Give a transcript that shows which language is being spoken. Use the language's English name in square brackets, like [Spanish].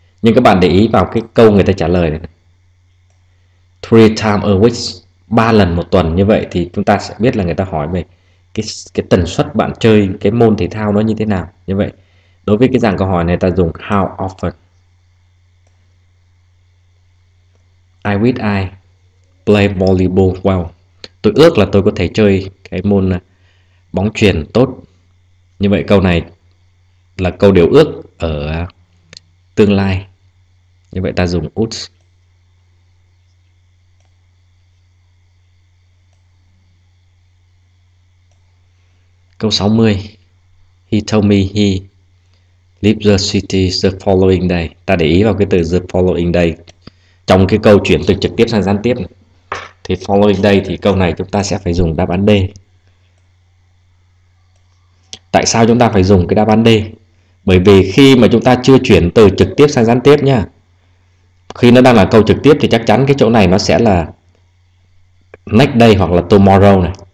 [Vietnamese] Nhưng các bạn để ý vào cái câu người ta trả lời này. 3 times a week, 3 lần một tuần. Như vậy thì chúng ta sẽ biết là người ta hỏi về cái tần suất bạn chơi cái môn thể thao nó như thế nào. Như vậy đối với cái dạng câu hỏi này ta dùng how often. [English] I wish I play volleyball well. [Vietnamese] Tôi ước là tôi có thể chơi cái môn bóng chuyền tốt. Như vậy câu này là câu điều ước ở tương lai. Như vậy ta dùng would. [English] Câu 60. He told me he Leave the city the following day. [Vietnamese] Ta để ý vào cái từ the following day trong cái câu chuyển từ trực tiếp sang gián tiếp. Thì following day thì câu này chúng ta sẽ phải dùng đáp án D. Tại sao chúng ta phải dùng cái đáp án D? Bởi vì khi mà chúng ta chưa chuyển từ trực tiếp sang gián tiếp nha, khi nó đang là câu trực tiếp thì chắc chắn cái chỗ này nó sẽ là next day hoặc là tomorrow này.